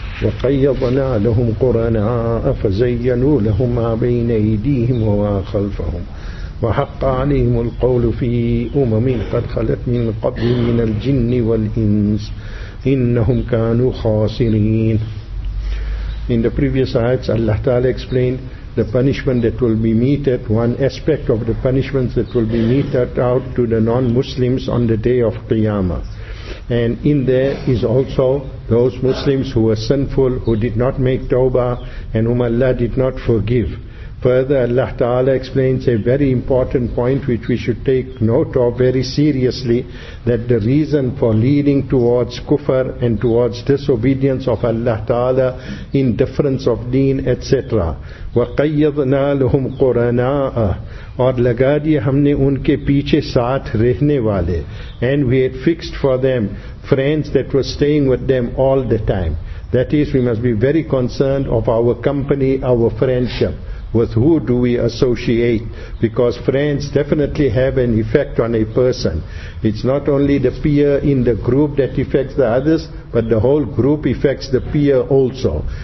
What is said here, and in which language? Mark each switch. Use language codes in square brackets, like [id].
[ar] وقيضنا لهم قرناء فزينوا لهم ما بين أيديهم وما خلفهم وحق عليهم القول في أمم قد خلت من قبلهم من الجن والإنس إنهم كانوا خاسرين. [en] In the previous ayats, Allah Ta'ala explained the punishment that will be meted, one aspect of the punishments that will be meted out to the non-Muslims on the day of Qiyamah. And in there is also those Muslims who were sinful, who did not make tawbah, and whom Allah did not forgive. Further, Allah Ta'ala explains a very important point which we should take note of very seriously, that the reason for leading towards kufr and towards disobedience of Allah Ta'ala, indifference of deen, etc. [ar] وَقَيَّضْنَا لُهُمْ قُرَنَاءَ [ur] اور لگا دیا ہم نے ان کے پیچھے ساتھ رہنے والے. [en] And we had fixed for them friends that were staying with them all the time. That is, we must be very concerned of our company, our friendship. With who do we associate? Because friends definitely have an effect on a person. It's not only the peer in the group that affects the others, but the whole group affects the peer also.